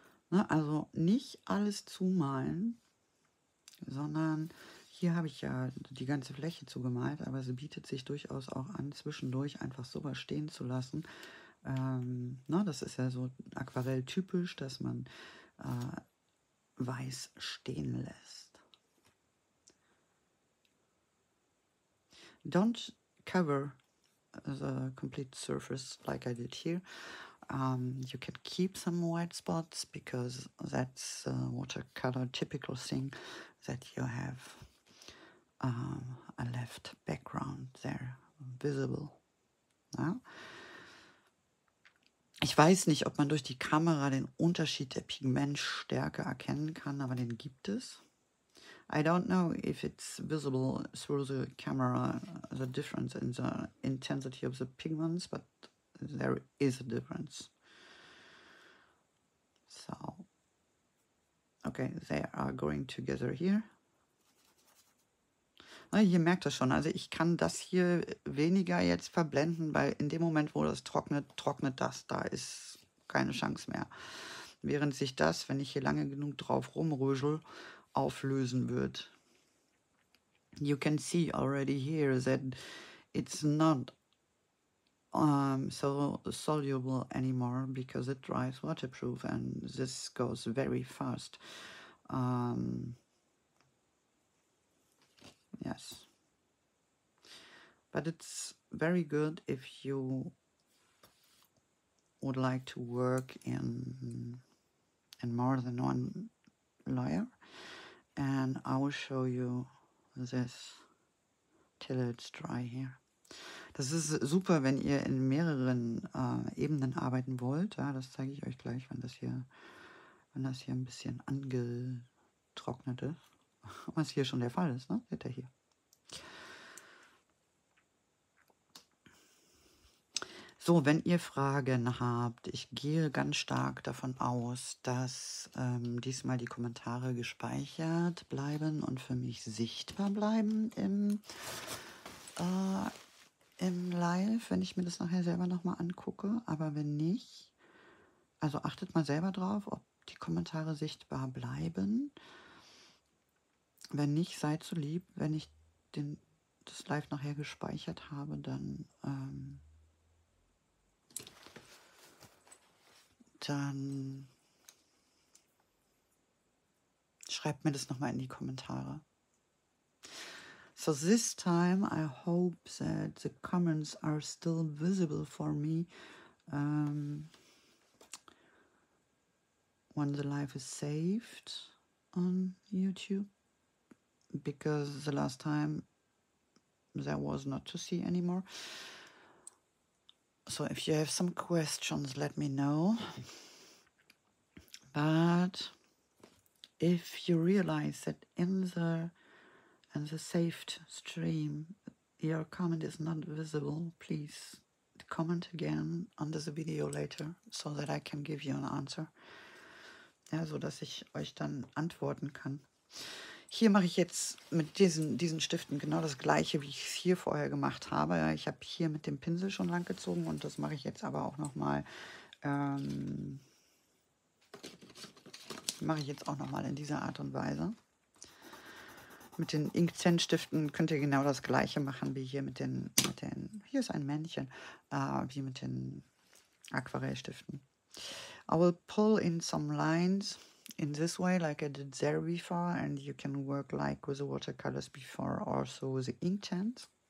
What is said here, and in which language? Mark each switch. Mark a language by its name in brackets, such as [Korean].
[German] Na, also nicht alles zumalen, sondern hier habe ich ja die ganze Fläche zugemalt, aber sie bietet sich durchaus auch an, zwischendurch einfach sowas stehen zu lassen. Das ist ja so aquarelltypisch, dass man weiß stehen lässt. [English] Don't cover the complete surface like I did here. You can keep some white spots because that's a watercolor typical thing that you have a left background there visible. [German] Ja? Ich weiß nicht, ob man durch die Kamera den Unterschied der Pigmentstärke erkennen kann, aber den gibt es. [English] I don't know if it's visible through the camera, the difference in the intensity of the pigments, but there is a difference. So, okay, they are going together here. [German] Ah, ihr merkt das schon, also ich kann das hier weniger jetzt verblenden, weil in dem Moment, wo das trocknet, trocknet das, da ist keine Chance mehr. Während sich das, wenn ich hier lange genug drauf rumrösel, auflösen wird. [English] You can see already here that it's not so soluble anymore because it dries waterproof and this goes very fast. Yes, but it's very good if you would like to work in more than one layer, and I will show you this till it's dry here. [German] Das ist super, wenn ihr in mehreren Ebenen arbeiten wollt. Ja, das zeige ich euch gleich, wenn das hier ein bisschen angetrocknet ist. Was hier schon der Fall ist, ne? Seht ihr hier. So, wenn ihr Fragen habt, ich gehe ganz stark davon aus, dass diesmal die Kommentare gespeichert bleiben und für mich sichtbar bleiben im Live, wenn ich mir das nachher selber nochmal angucke. Aber wenn nicht, also achtet mal selber drauf, ob die Kommentare sichtbar bleiben. Wenn nicht, seid so lieb, wenn ich das Live nachher gespeichert habe, dann schreibt mir das nochmal in die Kommentare. [English] So, this time I hope that the comments are still visible for me when the live is saved on YouTube. Because the last time there was not to see anymore. So if you have some questions, let me know. But if you realize that in the saved stream your comment is not visible, please comment again under the video later, so that I can give you an answer. [German] Ja, so dass ich euch dann antworten kann. Hier mache ich jetzt mit diesen Stiften genau das Gleiche, wie ich es hier vorher gemacht habe. Ich habe hier mit dem Pinsel schon lang gezogen und das mache ich jetzt aber auch nochmal in dieser Art und Weise. Mit den Inkzen-Stiften könnt ihr genau das Gleiche machen, wie hier mit den hier ist ein Männchen, wie mit den Aquarellstiften. [English] I will pull in some lines in this way, like I did there before, and you can work like with the watercolors before, also the ink tent.